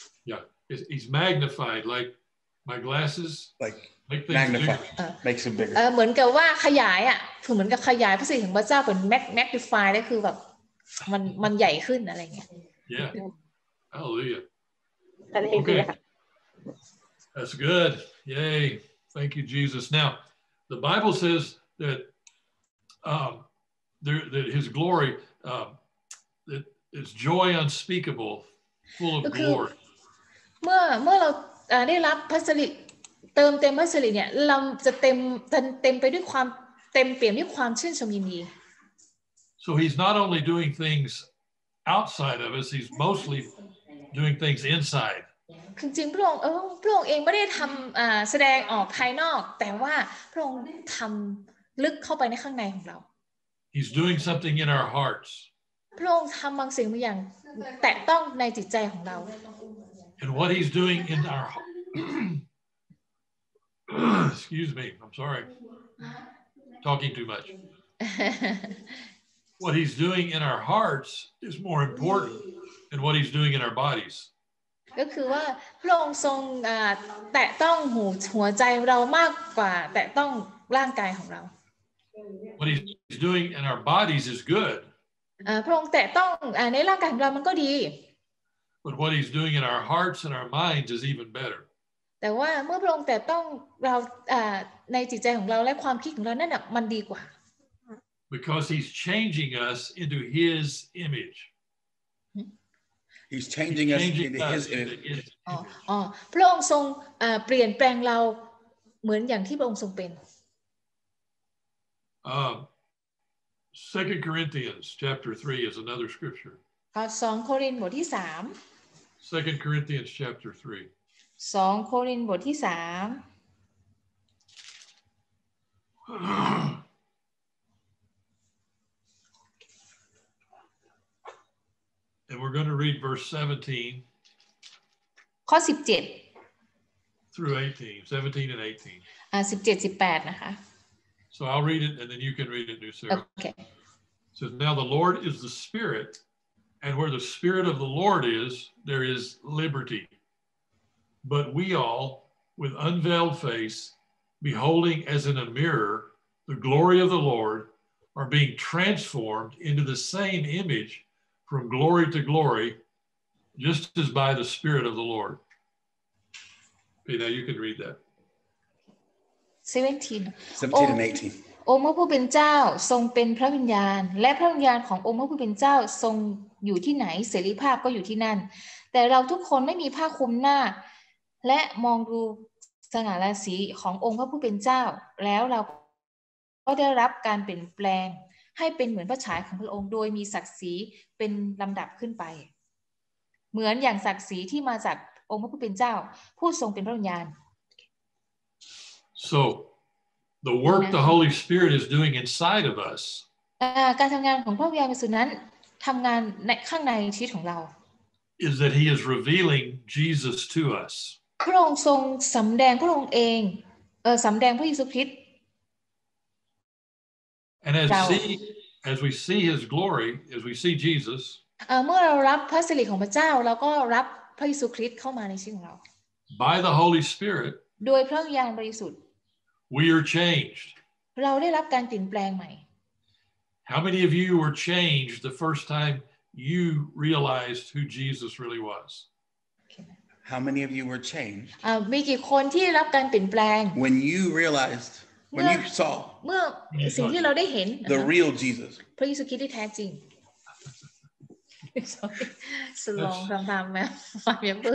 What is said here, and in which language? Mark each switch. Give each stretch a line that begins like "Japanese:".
English: yeah he's magnified likeMy glasses like magnify makes them bigger.
Thai: เหมือนกับว่าขยายอ่ะคือเหมือนกับขยายพระสิริของพระเจ้าเหมือน magnify ได้คือแบบมันใหญ่ขึ้นอะไรเงี้ย
English: Yeah. Hallelujah. Okay. That's good. Yay. Thank you, Jesus. Now, the Bible says that that His glory that it's joy unspeakable, full of glory.
Thai: เมื่อเราได้รับพระสิริเติมพระสิริเนี่ยเราจะเต็มไปด้วยความเต็มเปี่ยมด้วยความชื่นชมยินดี
English: So he's not only doing things outside of us he's mostly doing things inside
Thai: จริงๆพระองค์เองไม่ได้ทำแสดงออกภายนอกแต่ว่าพระองค์ทำลึกเข้าไปในข้างในของเรา
English: He's doing something in our hearts
Thai: พระองค์ทำบางสิ่งบางอย่างแตะต้องในจิตใจของเรา
English: And what he's doing in our excuse me, I'm sorry, talking too much. What he's doing in our hearts is more important than what he's doing in our bodies.
Thai: ก็คือว่าพระองค์ทรงแตะต้องหัวใจเรามากกว่าแตะต้องร่างกายของเรา
English: What he's doing in our bodies is good.
Thai: พระองค์แตะต้องในร่างกายของเรามันก็ดี
English: But what he's doing in our hearts and our minds is even better.
Thai: แต่ว่าเมื่อพระองค์แต่ต้องเราในจิตใจของเราและความคิดของเรานั่นน่ะมันดีกว่า
English: Because he's changing us into his image. He's changing us into his image.
Thai: พระองค์ทรงเปลี่ยนแปลงเราเหมือนอย่างที่พระองค์ทรงเป็น
English: 2 Corinthians chapter 3 is another scripture.
Thai: 2 โครินธ์บทที่3
English: 2 Corinthians chapter 3
Thai: 2 โครินธ์บทที่3
English: And we're going to read verse 17
Thai: ข้อ17
English: through 18 17 and 18
Thai: 17 18นะคะ
English: So I'll read it and then you can read it New Sarah Okay So now the Lord is the Spirit And where the Spirit of the Lord is, there is liberty. But we all, with unveiled face, beholding as in a mirror, the glory of the Lord are being transformed into the same image from glory to glory, just as by the Spirit of the Lord. Okay, now you can read that. 17 and 18.
Thai: องค์พระผู้เป็นเจ้าทรงเป็นพระวิญญาณและพระวิญญาณขององค์พระผู้เป็นเจ้าทรงอยู่ที่ไหนเสรีภาพก็อยู่ที่นั่นแต่เราทุกคนไม่มีผ้าคลุมหน้าและมองดูสง่าราศีขององค์พระผู้เป็นเจ้าแล้วเราก็ได้รับการเปลี่ยนแปลงให้เป็นเหมือนพระฉายของพระองค์โดยมีศักดิ์ศรีเป็นลำดับขึ้นไปเหมือนอย่างศักดิ์ศรีที่มาจากองค์พระผู้เป็นเจ้าผู้ทรงเป็นพระวิญญาณ
English: SoThe work the Holy Spirit is doing inside of us.
Thai: การทำงานของพระวิญญาณบริสุทธิ์นั้นทำงานในข้างในชีวิตของเรา
English: Is that He is revealing Jesus to us?
Thai: พระองค์ทรงสำแดงพระองค์เองสำแดงพระเยซูคริสต์
English: And as we see His glory, as we see Jesus.
Thai: เมื่อเรารับพระสิริของพระเจ้าเราก็รับพระเยซูคริสต์เข้ามาในชีวิตของเรา
English: By the Holy Spirit.
Thai: โดยพระวิญญาณบริสุทธิ์
English: We are changed.
Thai: เราได้รับการเปลี่ยนแปลงใหม่
English: How many of you were changed the first time you realized who Jesus really was? How many of you were changed?
Thai: มีกี่คนที่รับการเปลี่ยนแปลง
English: When you realized, when you saw,
Thai: เมื่อสิ่งที่เราได้เห็น
English: The real Jesus.
Thai: พระเยซูคริสต์ที่แท้จริง
English: Sorry, long time ago.